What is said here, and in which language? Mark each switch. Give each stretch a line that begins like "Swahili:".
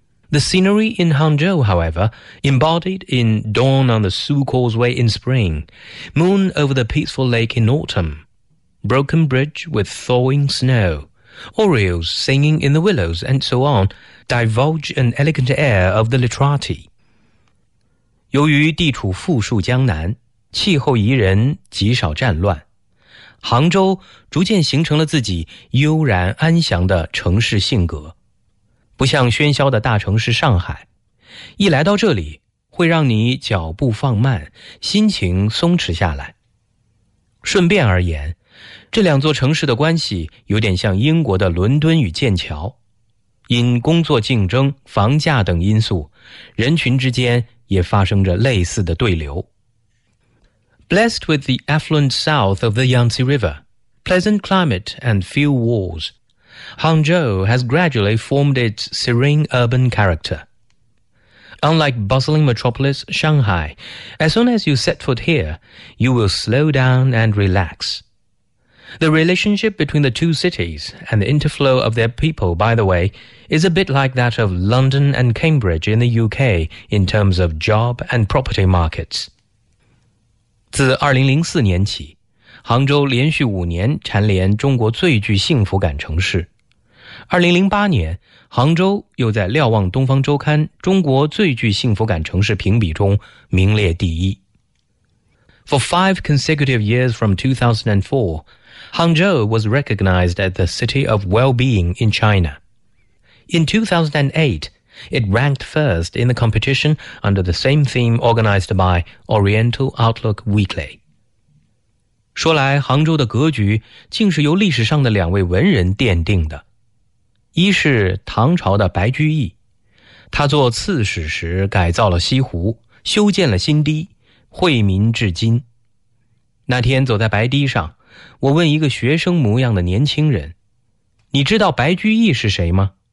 English: The scenery in Hangzhou, however, embodied in dawn on the Su Causeway in spring, moon over the peaceful lake in autumn, broken bridge with thawing snow, orioles singing in the willows and so on, divulge an elegant air of the literati.
Chinese: 由于地处富庶江南，气候宜人，极少战乱，杭州逐渐形成了自己悠然安详的城市性格。不像喧嚣的大城市上海，一来到这里，会让你脚步放慢，心情松弛下来。顺便而言，这两座城市的关系有点像英国的伦敦与剑桥，因工作竞争、房价等因素，人群之间也发生着类似的对流。
English: Blessed with the affluent south of the Yangtze River, pleasant climate and few wars, Hangzhou has gradually formed its serene urban character. Unlike bustling metropolis Shanghai, as soon as you set foot here, you will slow down and relax. The relationship between the two cities and the interflow of their people, by the way, is a bit like that of London and Cambridge in the UK in terms of job and property markets.
Chinese: 自2004年起，杭州连续五年蝉联中国最具幸福感城市。 2008年，杭州又在瞭望东方周刊中国最具幸福感城市评比中名列第一。
English: For five consecutive years from 2004, Hangzhou was recognized as the city of well-being in China. In 2008,It ranked first in the competition under the same theme organized by Oriental Outlook Weekly.
Chinese: 说来，杭州的格局竟是由历史上的两位文人奠定的。一是唐朝的白居易，他做刺史时改造了西湖，修建了新堤，惠民至今。那天走在白堤上，我问一个学生模样的年轻人，你知道白居易是谁吗？